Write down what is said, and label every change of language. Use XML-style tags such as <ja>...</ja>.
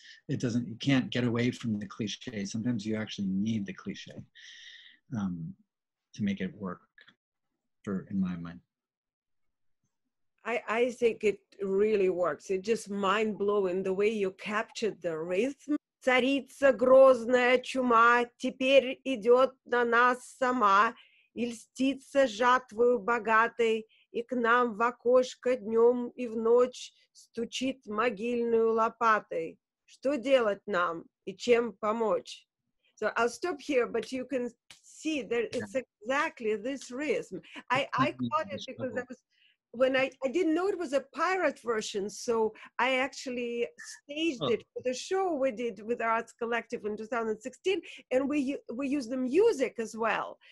<en>It doesn't, you can't get away from the cliche. Sometimes you actually need the cliche to make it work. In my mind, I think it really works. It's just mind blowing the way you captured the rhythm.</en> <ru>Царица грозная чума теперь идет на нас сама, и льстится жатвою богатой, и к нам в окошко днем и в ночь стучит могильную лопатой. Что делать нам и чем помочь?</ru> <en>So I'll stop here, but you can see that it's exactly this rhythm. I caught it because I was, when I didn't know it was a pirate version, so I actually staged it for the show we did with the Arts Collective in 2016, and we used the music as well.</en>